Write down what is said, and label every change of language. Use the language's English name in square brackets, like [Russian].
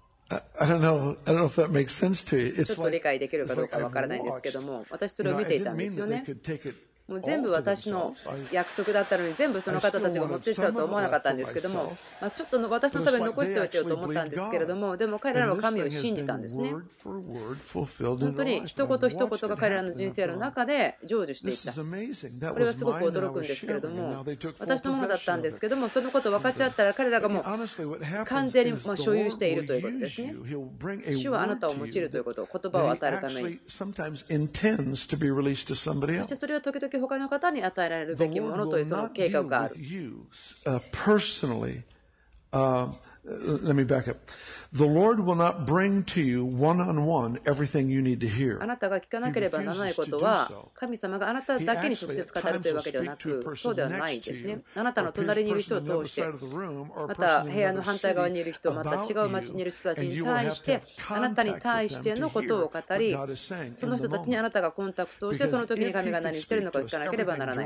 [English] I don't know if that makes sense to you. [Japanese] ちょっと理解できるかどうかわからないんですけども、私それを見ていたんですよね。もう全部私の約束だったのに、全部その方たちが持っていっちゃうと思わなかったんですけども、まあ、ちょっとの私のために残しておいてよと思ったんですけれども、でも彼らは神を信じたんですね。本当に一言一言が彼らの人生の中で成就していった。これはすごく驚くんですけれども、私のものだったんですけども、そのことを分かっちゃったら彼らがもう完全にまあ所有しているということですね。主はあなたを用いるということ、言葉を与えるために。そしてそれは時々他の方に与えられるべきものというその計画がある。 [English] Let me back up. The Lord will not bring to you one-on-one everything you need to hear. [Japanese] あなたが聞かなければならないことは、神様があなただけに直接語るというわけではなく、そうではないですね。あなたの隣にいる人を通して、また部屋の反対側にいる人、また違う町にいる人たちに対して、あなたに対してのことを語り、その人たちにあなたがコンタクトをして、その時に神が何を言っているのか聞かなければならない。